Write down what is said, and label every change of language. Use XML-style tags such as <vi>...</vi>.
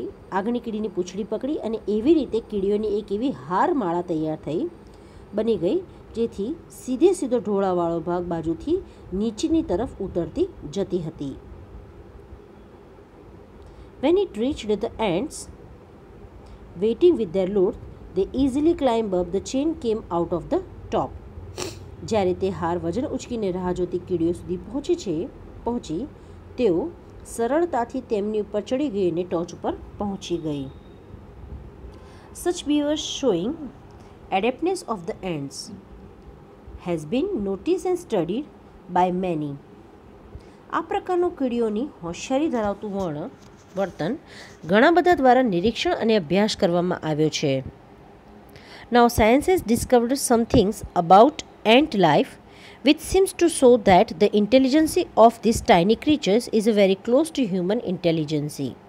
<gu>આગળની કીડીની પૂંછડી પકડી અને એવી રીતે કીડીઓની એક એવી હાર માળા તૈયાર થઈ બની ગઈ જેથી સીધે સીધો ઢોળાવાળો ભાગ બાજુથી નીચેની તરફ ઉતરતી જતી હતી.</gu> <en>When it reached the ants waiting with their load, they easily climbed up. The chain came out of the top.</en> <gu>જ્યારે તે હાર વજન ઉચકીને રાહ જોતી કીડીઓ સુધી પહોંચી તેઓ સરળતાથી તેમની ઉપર ચડી ગઈ અને ટોચ ઉપર પહોંચી ગઈ.</gu> <en>Such behavior showing adeptness of the ants has been noticed and studied by many.</en> <gu>આ પ્રકારનો કીડીઓની હોશિયારી ધરાવતું વર્તન ઘણા બધા દ્વારા નિરીક્ષણ અને અભ્યાસ કરવામાં આવ્યો છે.</gu> <en>Now science has discovered some things about ant life which seems to show that the intelligence of these tiny creatures is very close to human intelligence.</en>